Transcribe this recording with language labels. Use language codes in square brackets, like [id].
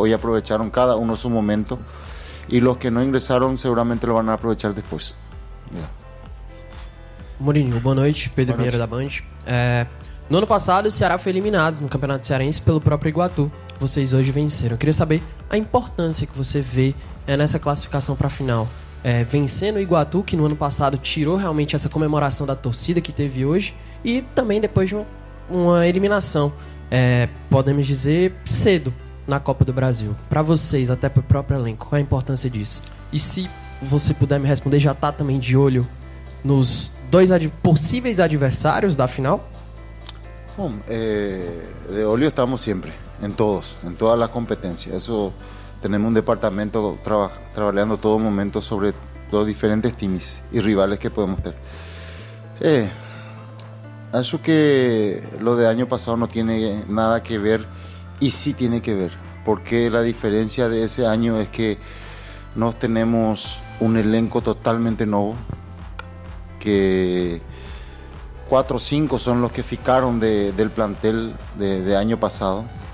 [es] Hoy aprovecharon cada uno su momento y los que no ingresaron seguramente lo van a aprovechar después. [en] Yeah. [pt] Mourinho, boa noite. Pedro Pinheiro da Band. No ano passado o Ceará foi eliminado no Campeonato Cearense pelo próprio Iguatu. Vocês hoje venceram. Eu queria saber a importância que você vê nessa classificação para a final. Vencendo o Iguatu, que no ano passado tirou realmente essa comemoração da torcida que teve hoje, e também depois de uma eliminação, podemos dizer, cedo na Copa do Brasil. Para vocês, até para o próprio elenco, qual é a importância disso? E se você puder me responder, já está também de olho nos dois possíveis adversários da final? Bom, de olho estamos sempre, em todos, em todas as competências. Isso... [es] Tenemos un departamento trabajando todo momento sobre los diferentes teams y rivales que podemos tener. [pt] Acho que [es] lo de año pasado no tiene nada que ver, y sí tiene que ver, porque la diferencia de ese año es que nos tenemos un elenco totalmente nuevo, que 4 o 5 son los que ficaron del plantel de año pasado.